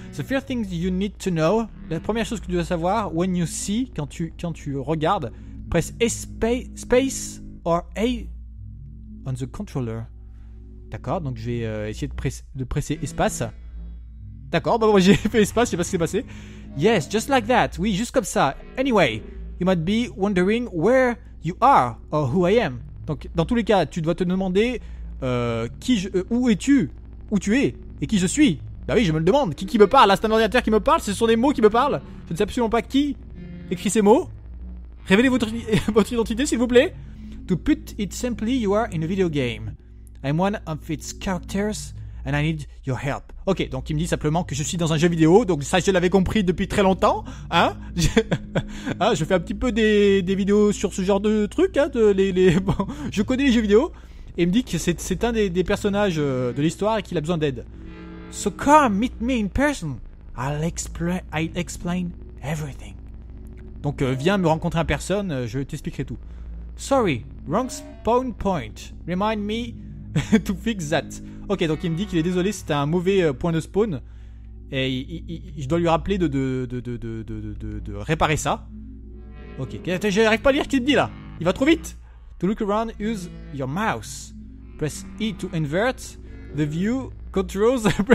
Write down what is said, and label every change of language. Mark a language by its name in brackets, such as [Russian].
[English] The first thing you need to know. [French] La première chose que tu dois savoir, [English] when you see, [French] quand tu regardes, [English] press space or A on the controller. [French] D'accord, donc je vais essayer de presser espace. D'accord, bah moi j'ai fait espace, je sais pas ce qui s'est passé. [English] Yes, just like that. [French] Oui, juste comme ça. [English] Anyway, you might be wondering where you are or who I am. [French] Donc dans tous les cas, tu dois te demander où tu es et qui je suis. Bah oui, je me le demande. Qui me parle? Là, c'est un ordinateur qui me parle. Ce sont des mots qui me parlent. Je ne sais absolument pas qui écrit ces mots. Révélez votre identité, s'il vous plaît. [English] To put it simply, you are in a video game. I'm one of its characters and I need your help. [French] Ok, donc il me dit simplement que je suis dans un jeu vidéo, donc ça je l'avais compris depuis très longtemps, hein. Je fais un petit peu des vidéos sur ce genre de trucs, hein, bon, je connais les jeux vidéo. Et il me dit que c'est un des personnages de l'histoire et qu'il a besoin d'aide. [English] So come meet me in person, I'll explain everything. [French] Donc viens me rencontrer en personne, je t'expliquerai tout. Sorry, wrong spawn point, remind me to fix that. Ok, donc il me dit qu'il est désolé, c'était un mauvais point de spawn. Et je dois lui rappeler de réparer ça. Ok, j'arrive pas à lire ce qu'il me dit là. Il va trop vite. [English] To look around, use your mouse. Press E to invert the view controls.